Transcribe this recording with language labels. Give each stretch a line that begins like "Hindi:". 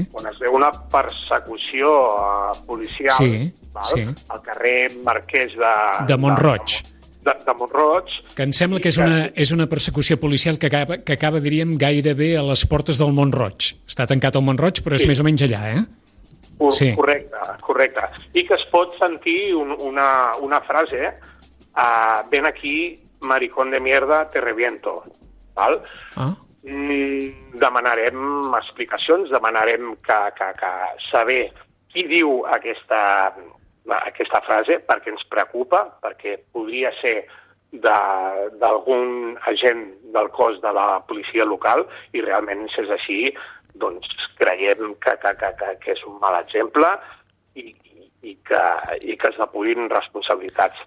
Catalan: on es veu una persecució policial, sí, val, sí, al carrer Marquès de Mont-roig. De Mont-roig. Que em sembla que és una persecució policial que acaba, diríem, gairebé a les portes del Mont-roig. Està tancat al Mont-roig, però és, sí, més o menys allà, eh? Sí. Correcte. I que es pot sentir una frase,
Spanish: ven aquí, maricón de mierda, te reviento.
Catalan: Val? Ah. Demanarem explicacions, demanarem que saber qui diu aquesta frase, perquè ens preocupa, perquè podria ser d'algun agent del cos de la policia local, i realment, si és així, doncs creiem que és un mal exemple i que es depurin responsabilitats.